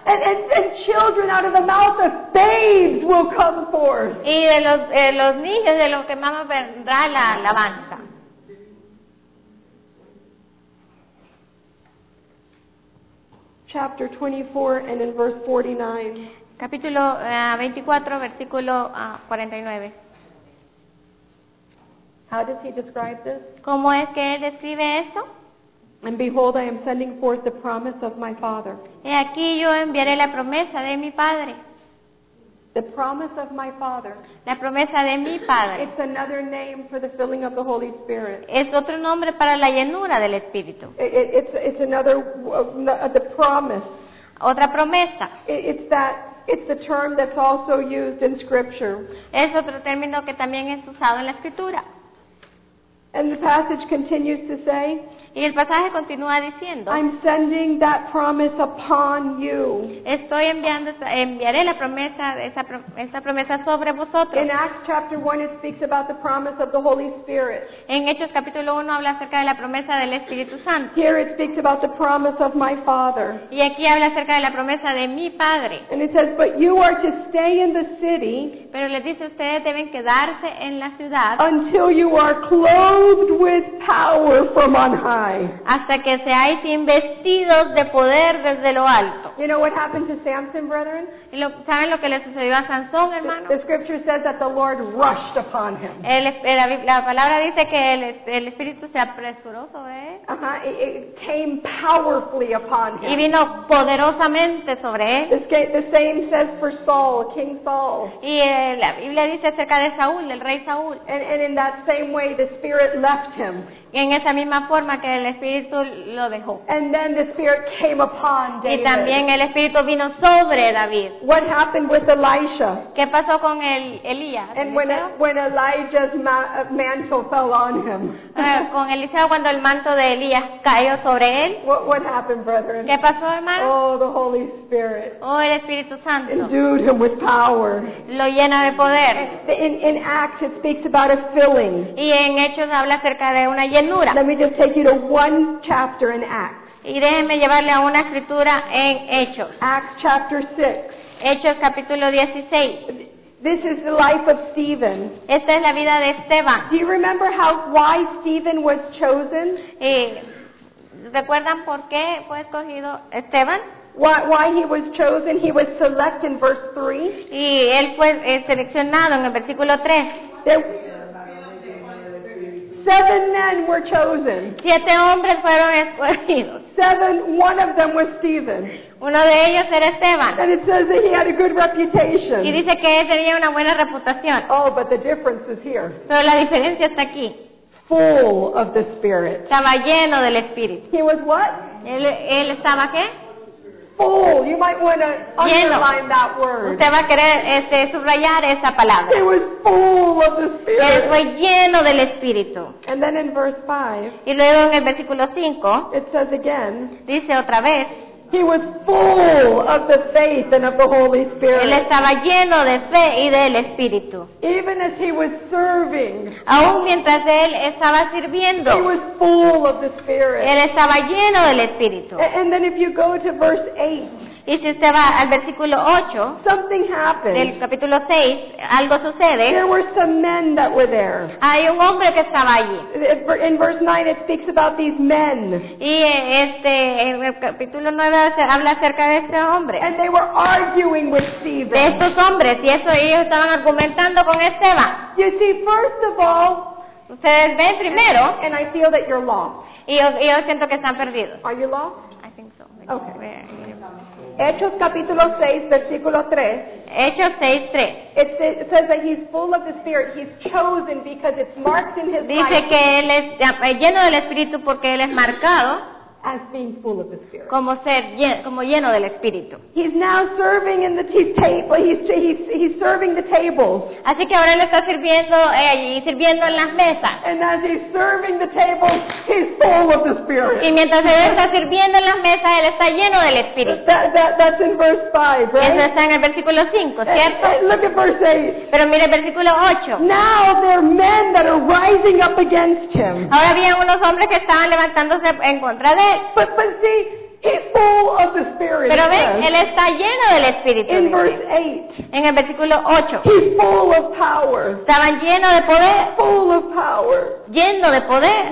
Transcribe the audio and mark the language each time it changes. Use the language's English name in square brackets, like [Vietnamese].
[English] And children out of the mouth of babes will come forth. [Spanish] Y de los niños de los que mamá vendrá la alabanza. [English] Chapter 24 and in verse 49. [Spanish] Capítulo 24, versículo 49. [English] How does he describe this? [Spanish] ¿Cómo es que él describe esto? [English] And behold, I am sending forth the promise of my Father. [Spanish] He aquí yo enviaré la promesa de mi Padre. [English] The promise of my Father. [Spanish] La promesa de mi Padre. [English] It's another name for the filling of the Holy Spirit. [Spanish] Es otro nombre para la llenura del Espíritu. [English] It's another the promise. [Spanish] Otra promesa. [English] It's the term that's also used in Scripture. [Spanish] Es otro término que también es usado en la Escritura. [English] And the passage continues to say, [Spanish] y el pasaje continúa diciendo, [English] I'm sending that promise upon you. [Spanish] Estoy enviando, enviaré la promesa, esa promesa sobre vosotros. [English] In Acts chapter 1 it speaks about the promise of the Holy Spirit. [Spanish] En Hechos capítulo 1 habla acerca de la promesa del Espíritu Santo. [English] Here it speaks about the promise of my Father. [Spanish] Y aquí habla acerca de la promesa de mi Padre. [English] And it says, but you are to stay in the city. [Spanish] Pero les dice, ustedes deben quedarse en la ciudad. [English] Until you are clothed with power from on high. [Spanish] Hasta que seáis investidos de poder desde lo alto. [English] You know what happened to Samson, brethren? [Spanish] ¿Saben lo que le sucedió a Sansón, hermano? [English] The scripture says that the Lord rushed upon him. [Spanish] La palabra dice que el Espíritu se apresuró sobre él. [English] Uh-huh. It came powerfully upon him. [Spanish] Y vino poderosamente sobre él. [English] The same says for Saul, King Saul. [Spanish] Y la Biblia dice acerca de Saúl, el rey Saúl. [English] And in that same way, the Spirit left him. [Spanish] En esa misma forma que el Espíritu lo dejó. [English] And then the Spirit came upon David. [Spanish] Y también el Espíritu vino sobre David. [English] What happened with Elisha? [Spanish] ¿Qué pasó con Elías? [English] And when Elijah's mantle fell on him. [Spanish] Con Eliseo cuando el manto de Elías cayó sobre él. [English] What happened, brethren? [Spanish] ¿Qué pasó, hermano? [English] Oh, the Holy Spirit. [Spanish] Oh, el Espíritu Santo. [English] Endued him with power. [Spanish] Lo llena de poder. [English] In Acts it speaks about a filling. [Spanish] Y en Hechos habla acerca de una llenura. [English] Let me just take you to one chapter in Acts. [Spanish] Y déjenme llevarle a una escritura en Hechos. [English] Acts chapter 6. [Spanish] Hechos capítulo 16. [English] This is the life of Stephen. [Spanish] Esta es la vida de Esteban. [English] Do you remember why Stephen was chosen? [Spanish] ¿Recuerdan por qué fue escogido Esteban? [English] Why he was chosen? He was selected in verse 3. [Spanish] Y él fue seleccionado en el versículo 3. [English] Seven men were chosen. [Spanish] Siete hombres fueron escogidos. [English] Seven, one of them was Stephen. [Spanish] Uno de ellos era Esteban. [English] And it says that he had a good reputation. [Spanish] Y dice que él tenía una buena reputación. [English] Oh, but the difference is here. [Spanish] Pero la diferencia está aquí. [English] Full of the Spirit. [Spanish] Estaba lleno del Espíritu. [English] He was what? [Spanish] Él estaba qué? [English] Full. You might want to underline that word. [Spanish] Usted va a querer subrayar esa palabra. [English] It was full of the Spirit. [Spanish] Él fue lleno del Espíritu. [English] And then in verse 5. [Spanish] Y luego en el versículo 5. [English] It says again. [Spanish] Dice otra vez. [English] He was full of the faith and of the Holy Spirit. [Spanish] Él estaba lleno de fe y del Espíritu. [English] Even as he was serving. [Spanish] Aún mientras él estaba sirviendo. [English] He was full of the Spirit. [Spanish] Él estaba lleno del Espíritu. [English] And then if you go to verse 8. [Spanish] Y si usted va al versículo 8. [English] Something happened. [Spanish] Del capítulo 6, algo sucede. [English] There were some men that were there. [Spanish] Hay un hombre que estaba allí. [English] In verse 9 it speaks about these men. [Spanish] Y en el capítulo 9 habla acerca de este hombre. [English] And they were arguing with Stephen. [Spanish] De estos hombres, y eso ellos estaban argumentando con Esteban. [English] You see, first of all, [Spanish] ustedes ven primero, [English] and I feel that you're lost. [Spanish] Y yo siento que están perdidos. [English] Are you lost? I think so. [Spanish] Okay. Hechos capítulo 6, versículo 3. Hechos 6, 3. [English] It says that he's full of the Spirit. He's chosen because it's marked in his [Spanish] dice [English] life. [Spanish] Dice que él es lleno del Espíritu porque él es marcado. [English] As being full of the Spirit. [Spanish] Como lleno del Espíritu. [English] He's now serving in the table. He's serving the tables. [Spanish] Así que ahora él está sirviendo allí, sirviendo en las mesas. [English] And as he's serving the tables, he's full of the Spirit. [Spanish] Y mientras él está sirviendo en las mesas, él está lleno del Espíritu. [English] That's in verse 5, right? [Spanish] Eso está en el versículo 5, ¿cierto? [English] Look at verse 8. [Spanish] Pero mire el versículo 8. [English] Now there are men that are rising up against him. [Spanish] Ahora había unos hombres que estaban levantándose en contra de él. [English] But see, he's full of the Spirit. [Spanish] Pero ve, él está lleno del Espíritu. [English] In verse 8. [Spanish] En el versículo 8. [English] He's full of power. [Spanish] Estaban llenos de poder. [English] Full of power. [Spanish] Lleno de poder.